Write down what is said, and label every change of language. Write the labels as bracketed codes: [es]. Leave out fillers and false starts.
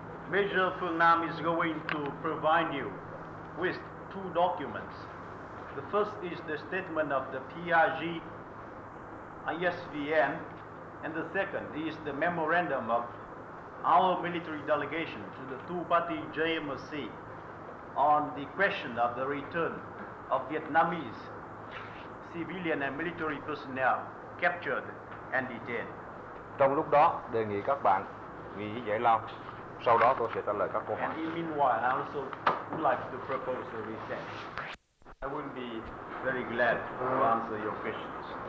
[en] Major Phương Nam is going to provide you with two documents. The first is the statement of the PRG ISVN, and the second is the memorandum of our military delegation to the two-party JMSC on the question of the return of Vietnamese civilian and military personnel captured and detained. [vi] Trong lúc đó, đề nghị các bạn nghỉ giải lao. Sau đó tôi sẽ trả lời các câu hỏi. [en] And in meanwhile, I also would like to propose a recess. I will be very glad to answer your questions.